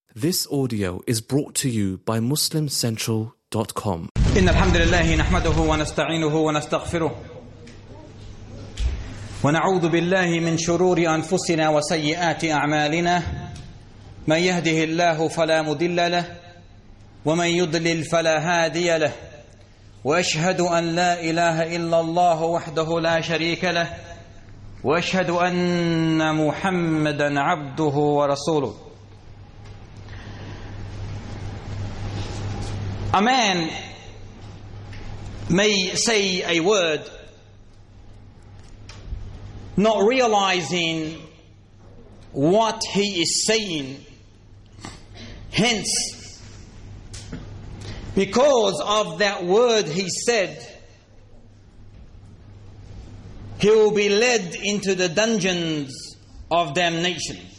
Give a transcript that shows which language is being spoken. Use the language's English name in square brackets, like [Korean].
[English] This audio is brought to you by MuslimCentral.com. [Arabic] إن الحمد لله نحمده ونستعينه ونستغفره ونعوذ بالله من شرور أنفسنا وسيئات أعمالنا من يهده الله فلا مضل له ومن يضلل فلا هادي له وأشهد أن لا إله إلا الله وحده لا شريك له وأشهد أن محمدا عبده ورسوله. [English] A man may say a word, not realizing what he is saying. Hence, because of that word he said, he will be led into the dungeons of damnation.